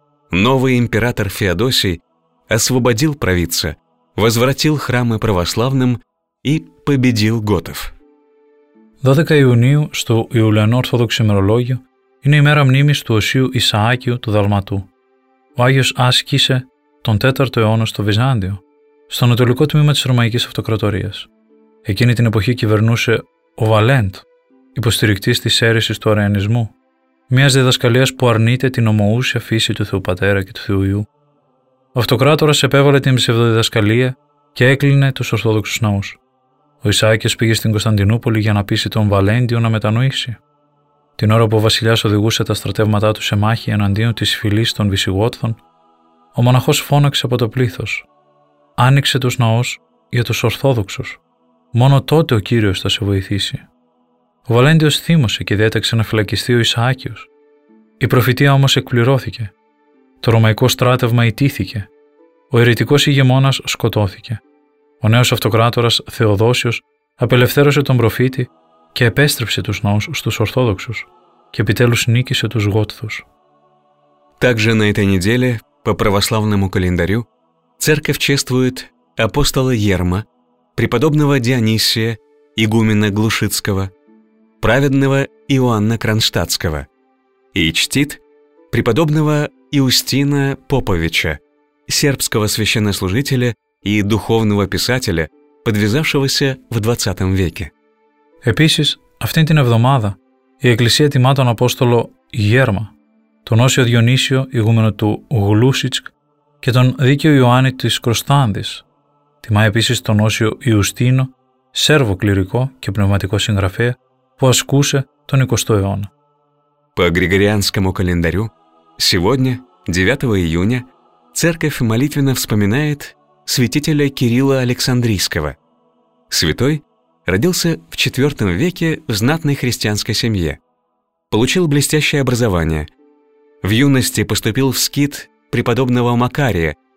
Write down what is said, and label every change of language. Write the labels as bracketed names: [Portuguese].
[Russian] Новый император Феодосий освободил провидца, возвратил храмы православным и победил готов. 12 июня, что в Юлиано-Ортодоксе мирологию, είναι η мера мнимис του Осίου Исаакию του Δαλματού. [Greek] Ο Άγιος άσκησε τον 4ο αιώνα στο Βυζάντιο, στο νοτιολικό τμήμα της Ρωμαϊκής Αυτοκρατορίας. Εκείνη την εποχή κυβερνούσε ο Βαλέντ, υποστηρικτής της αίρεσης του αραιανισμού, μιας διδασκαλίας που αρνείται την ομοούσια φύση του Θεού Πατέρα και του Θεού Υιού. Ο αυτοκράτορας επέβαλε την ψευδοδιδασκαλία και έκλεινε τους Ορθόδοξους ναούς. Ο Ισάκης πήγε στην Κωνσταντινούπολη για να πείσει τον Βαλέντιο να μετανοήσει. Την ώρα που ο βασιλιάς οδηγούσε τα στρατεύματά του σε μάχη εναντίον της φυλής των Βυσιγότθων, ο μοναχός φώναξε από το πλήθος: «Άνοιξε τους ναούς για τους Ορθόδοξους. Μόνο τότε ο Κύριος θα σε βοηθήσει». Ο Βαλέντιος θύμωσε και διέταξε να φυλακιστεί ο Ισαάκιος. Η προφητεία όμως εκπληρώθηκε. Το ρωμαϊκό στράτευμα ιτήθηκε. Ο αιρετικός ηγεμόνας σκοτώθηκε. Ο νέος αυτοκράτορας Θεοδόσιος απελευθέρωσε τον προφήτη και επέστρεψε τους ναούς στους Ορθόδοξους και επιτέλους νίκησε τους Γότθους. [Russian] Также на этой неделе по православному календарю церковь чествует апостола Ерма, преподобного Дионисия, игумена Глушицкого, праведного Иоанна Кронштадтского и чтит преподобного Иустина Поповича, сербского священнослужителя и духовного писателя, подвязавшегося в 20 веке. [Greek] Επίσης, αυτή την εβδομάδα η Εκκλησία τιμά τον Απόστολο Γέρμα, τον Όσιο Διονύσιο, ηγούμενο του Γλούσιτσκ, και τον Δίκαιο Ιωάννη της Κροστάνδης. Τιμά επίσης τον Όσιο Ιουστίνο, Σέρβο κληρικό και πνευματικό συγγραφέα, που ασκούσε τον 20ο αιώνα. [Russian] По Григорианскому календарю, сегодня, 9 июня, церковь молитвенно вспоминает святителя Кирилла Александрийского. Святой родился в 4 веке в знатной христианской семье. Получил блестящее образование. В юности поступил в скит преподобного Макария,